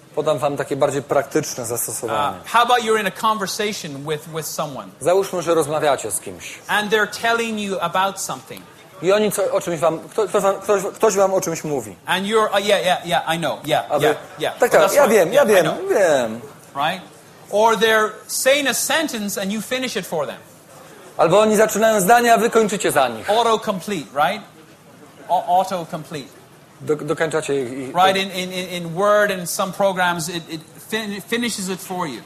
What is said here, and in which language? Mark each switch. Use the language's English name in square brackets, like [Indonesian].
[Polish] Podam wam takie bardziej praktyczne zastosowanie. [English] How about you're in a conversation with someone? [Polish] Załóżmy, że rozmawiacie z kimś. [English] And they're telling you about something. [Polish] I oni o czymś wam, ktoś wam o czymś mówi. [English] And you're yeah, I know. Yeah. [Polish] Tak, well, ja wiem. [English] Right? Or they're saying a sentence and you finish it for them. [Polish] Albo oni zaczynają zdanie, a wy kończycie za nich. [English] Auto complete, right? auto-complete. [Polish] Dokończacie ich. [English] Right, in Word and some programs, it finishes it for you.